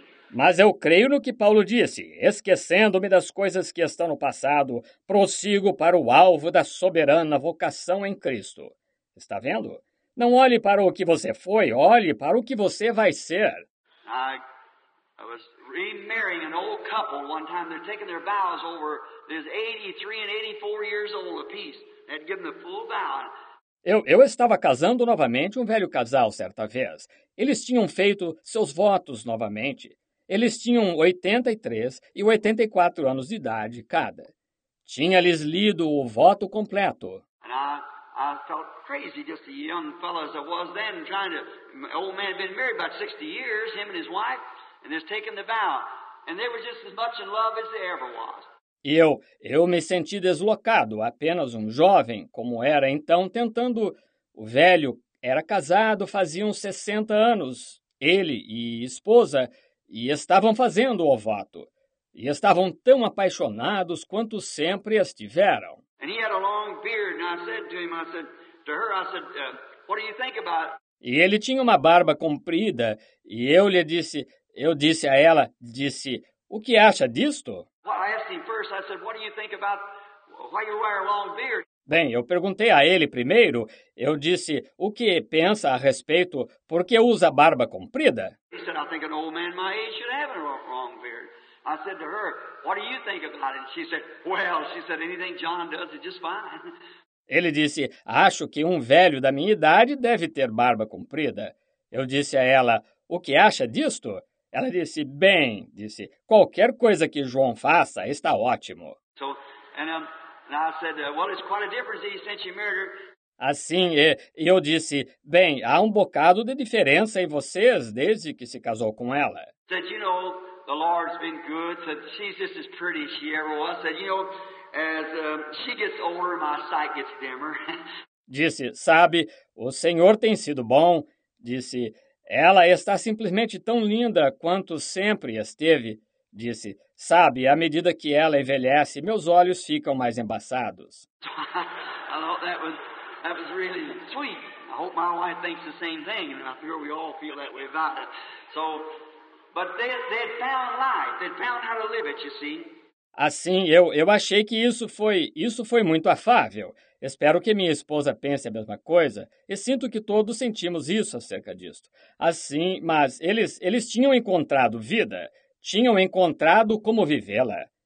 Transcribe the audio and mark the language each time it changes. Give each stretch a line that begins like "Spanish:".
Portuguese: Mas eu creio no que Paulo disse. Esquecendo-me das coisas que estão no passado, prossigo para o alvo da soberana vocação em Cristo. Está vendo? Não olhe para o que você foi, olhe para o que você vai ser.
English: I was remarrying an old couple one time. They're taking their vows over this 83 and 84 years old apiece. They'd given the full vow.
Portuguese: Eu estava casando novamente um velho casal certa vez. Eles tinham feito seus votos novamente. Eles tinham 83 e 84 anos de idade cada. Tinha-lhes lido o voto completo.
English: I felt crazy just the young fellow as I was then trying to. My old man had been married about 60 years, him and his wife, and has taken the vow. And they were just as much in love as they ever was.
Portuguese: Eu me senti deslocado, apenas um jovem, como era então, tentando. O velho era casado, fazia uns 60 anos, ele e esposa, e estavam fazendo o voto. E estavam tão apaixonados quanto sempre estiveram.
English: And he had a long beard, and I said to her, what do you think about it?
Portuguese: E ele tinha uma barba comprida, e eu disse a ela, o que acha disto?
English: Well, I asked him first, I said, what do you think about why you wear a long beard?
Portuguese: Bem, eu perguntei a ele primeiro, eu disse, o que pensa a respeito, por que usa barba comprida?
English: He said, I think an old man my age should have a long beard. I said to her, what do you think about it? She said, anything John does is just fine.
Portuguese: Ele disse, acho que um velho da minha idade deve ter barba comprida. Eu disse a ela, o que acha disto? Ela disse, bem, disse, qualquer coisa que João faça está ótimo.
English: So, and I said, well, it's quite a difference since you married her.
Portuguese: Assim, eu disse, bem, há um bocado de diferença em vocês desde que se casou com ela.
English: Said, you know, the Lord's been good. Said, she's just as pretty as she ever was. Said, you know, as she gets older, my sight gets dimmer.
Portuguese: Disse, sabe, o Senhor tem sido bom. Disse, ela está simplesmente tão linda quanto sempre esteve. Disse, sabe, à medida que ela envelhece, meus olhos ficam mais embaçados.
English: I thought that was really sweet. I hope my wife thinks the same thing. And I'm sure we all feel that way about it. So, but they found life. They found how to live it, you see.
Portuguese: Assim, eu achei que isso foi muito afável. Espero que minha esposa pense a mesma coisa, e sinto que todos sentimos isso acerca disto. Assim, mas eles tinham encontrado vida, tinham encontrado como vivê-la.